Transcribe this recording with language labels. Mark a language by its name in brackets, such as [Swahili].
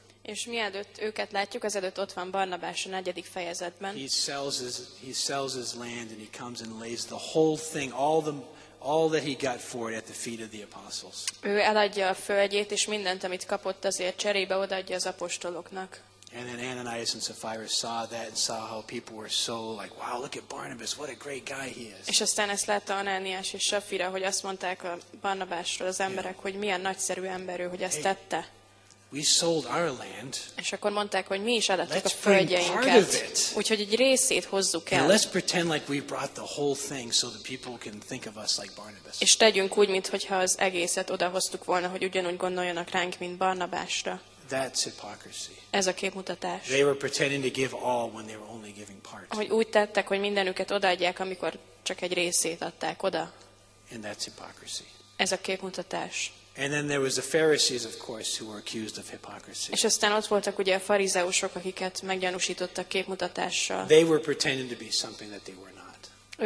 [Hungarian] És mielőtt őket látjuk, azelőtt ott van Barnabás a negyedik fejezetben. [English] He sells his land and he comes and lays the whole thing, all that he got for it at the feet of the apostles. [Hungarian] Ő eladja a földjét és mindent, amit kapott azért, cserébe odaadja az apostoloknak. [English] And then Ananias and Sapphira saw that and saw how people were so like, wow, look at Barnabas, what a great guy he is. [Hungarian] És aztán ezt látta Ananias és Sapphira, hogy azt mondták a Barnabásról az emberek, yeah. Hogy milyen nagyszerű ember ő, hogy ezt tette. [English] We sold our land. [Hungarian] És akkor mondták, hogy mi is adattuk a földjeinket. Úgyhogy egy részét hozzuk el. [English] And let's pretend like we brought the whole thing so that people can think of us like Barnabas. [Hungarian] És tegyünk úgy, mintha az egészet odahoztuk volna, hogy ugyanúgy gondoljanak ránk, mint Barnabásra. [English] That's hypocrisy. [Hungarian] Ez a képmutatás. [English] They were pretending to give all when they were only giving part. [Hungarian] Hogy úgy tettek, hogy mindenüket odaadják, amikor csak egy részét adták oda. [English] And that's hypocrisy. [Hungarian] Ez a képmutatás. [English] And then there was the Pharisees, of course, who were accused of hypocrisy. [Hungarian] És aztán ott voltak ugye a farizeusok, akiket meggyanúsítottak képmutatással. [English] They were pretending to be something that they were not.